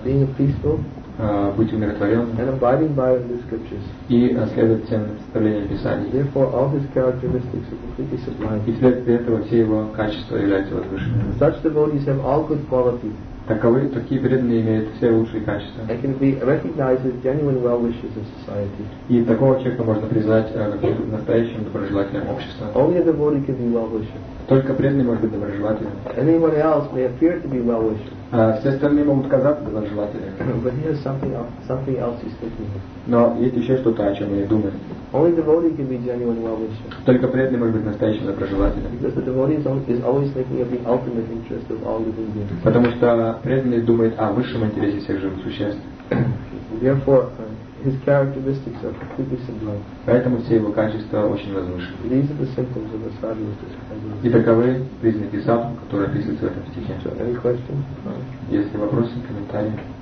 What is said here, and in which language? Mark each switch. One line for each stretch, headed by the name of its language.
English: being peaceful,
Russian: быть умиротворенным,
English: and abiding by the scriptures,
Russian: и следовать всем представлениям Писаний.
English: Therefore, all his characteristics are completely sublime.
Russian: И вследствие этого все его качества являются возвышенными.
English: Such devotees have all good qualities.
Russian: Такие преданные имеют все лучшие качества.
English: They can be recognized as genuine well-wishers in society.
Russian: И такого человека можно признать настоящим доброжелателем общества.
English: Only a devotee can be well-wisher.
Russian: Только преданный может быть доброжелателем.
English: Anyone else may appear to be well-wisher.
Russian: Все остальные могут казаться доброжелателями.
English: But he has something else he's thinking of.
Russian: Но есть еще что-то, о чем он не думает.
English: Only a devotee can be genuine well-wisher.
Russian: Только преданный может быть настоящим доброжелателем.
English: Because the devotee is always thinking of the ultimate interest of all living beings.
Russian: Потому что преданный думает о высшем интересе всех живых существ.
English: Therefore, his characteristics are completely sublime.
Russian: Поэтому все его качества очень возвышены.
English: These are the symptoms of the sadhu's disciple.
Russian: И таковы признаки сатвы, которые описываются в этом стихе.
English: So, any questions?
Russian: Есть ли вопросы, комментарии?